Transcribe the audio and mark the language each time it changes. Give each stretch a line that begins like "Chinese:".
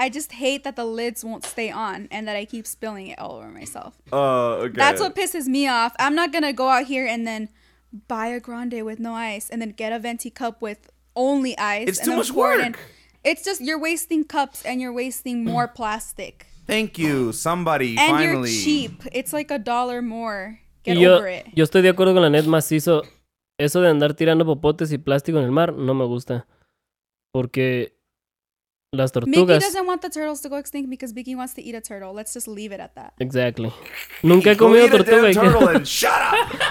English: I just hate that the lids won't stay on and that I keep spilling it all over myself. Oh, okay. That's what pisses me off. I'm not going to go out here and then buy a grande with no ice and then get a venti cup with only ice. It's too much work. It's just you're wasting cups and you're wasting more plastic. Thank you, somebody, and finally. You're cheap. It's like a dollar more. Get over it.
Spanish: Yo estoy de acuerdo con la net macizo. Eso de andar tirando popotes y plástico en el mar no me gusta. Porque las tortugas...
English: Mickey doesn't want the turtles to go extinct because Mickey wants to eat a turtle. Let's just leave it at that.
Spanish: Exactly. Nunca he comido tortuga.
English: Go eat a damn turtle and shut up!